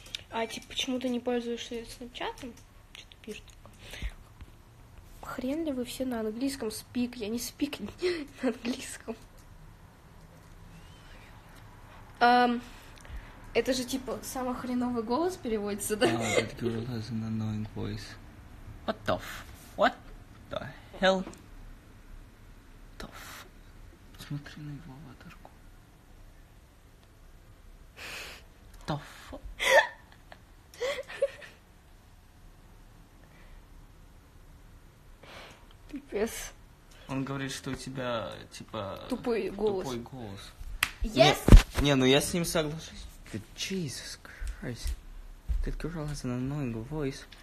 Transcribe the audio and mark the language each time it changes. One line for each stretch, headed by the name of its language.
Russian: А, типа, почему ты не пользуешься Snapchat'ом? Что ты пишешь? Хрен ли вы все на английском
English: speak?
Russian: Я не speak на английском. Это же типа самый хреновый голос переводится, да?
English: Oh, that girl has an annoying voice. What the f... What the hell? What the f...
Russian: Посмотри на его аватарку.
English: What the f... Yes.
Russian: Он говорит, что у тебя типа тупой голос. Тупой голос.
English: Yes.
Russian: Не, ну я с ним соглашусь.
English: But Jesus Christ, that girl has an annoying voice.